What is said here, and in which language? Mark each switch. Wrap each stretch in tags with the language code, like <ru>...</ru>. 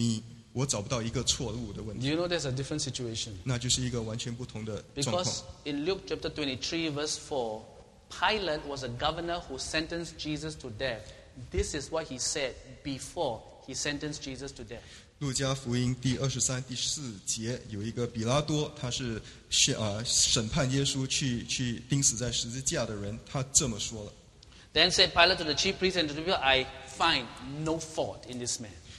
<zh>可是如果你的敌人指着你跟你说我找不到一个错误的问题。</zh> <en>Do you know there's a different situation?</en> <zh>那就是一个完全不同的状况。</zh> <en>Because in Luke 23:4, Pilate was a governor who sentenced Jesus to death. This is what he said before he sentenced Jesus to death.</en> <zh>路加福音第23:4节，有一个比拉多，他是审判耶稣去钉死在十字架的人，他这么说了。Then</zh> <en>said Pilate to the chief priests and to the people, I find no fault in this man.</en>